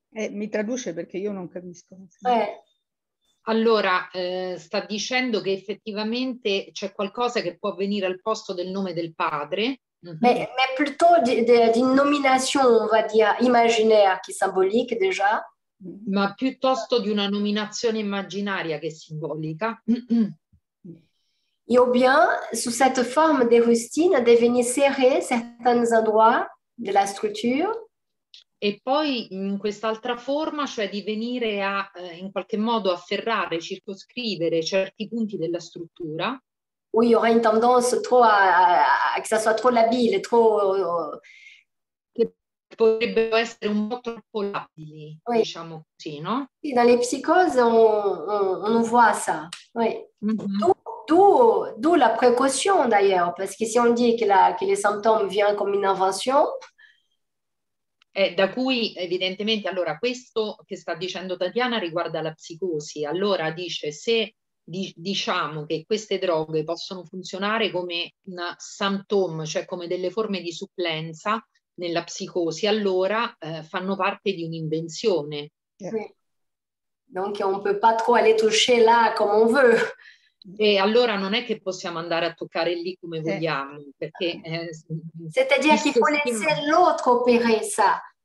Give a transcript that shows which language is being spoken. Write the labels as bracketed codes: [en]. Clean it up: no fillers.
[it] mi traduce perché io non capisco. Allora, sta dicendo che effettivamente c'è qualcosa che può venire al posto del nome del padre. [fr] Mais plutôt d'une nomination, on va dire, imaginaire, qui est symbolique déjà. [it] Ma piuttosto di una nominazione immaginaria che è simbolica. [fr] Et ou bien, sous cette forme de rustine, devenir serré certains endroits de la structure. [it] E poi in quest'altra forma, cioè di venire a, in qualche modo, afferrare, circoscrivere certi punti della struttura. [fr] Oui, il y aura une tendance trop à que ça soit trop labile, trop... [it] Che potrebbero essere un po' troppo labili, oui. Diciamo così, no? [fr] Sì, dans les psychoses, on voit ça, oui. Mm-hmm. D'où la précaution, d'ailleurs, parce que si on dit que les symptômes viennent comme une invention... [it] Da cui, evidentemente, allora, questo che sta dicendo Tatiana riguarda la psicosi. Allora, dice, se... diciamo che queste droghe possono funzionare come un symptom, cioè come delle forme di supplenza nella psicosi, allora fanno parte di un'invenzione. [fr] Donc on peut pas trop aller toucher là comme on veut. [it] E allora non è che possiamo andare a toccare lì come vogliamo, perché [fr] c'est-à-dire qu'il faut laisser l'autre opérer ça.